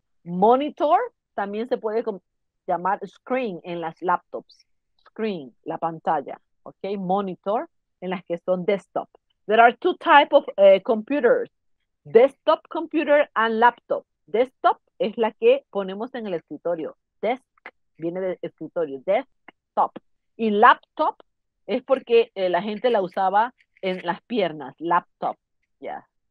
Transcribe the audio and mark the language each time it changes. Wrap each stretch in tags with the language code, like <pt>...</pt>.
<es>Monitor, también se puede llamar screen en las laptops. Screen, la pantalla, okay? Monitor, en las que son desktop.</es> <en>There are two types of computers, desktop computer and laptop.</en> <es>Desktop es la que ponemos en el escritorio. Desk, viene de escritorio, desktop. Y laptop es porque la gente la usaba en las piernas, laptop, yeah.</es>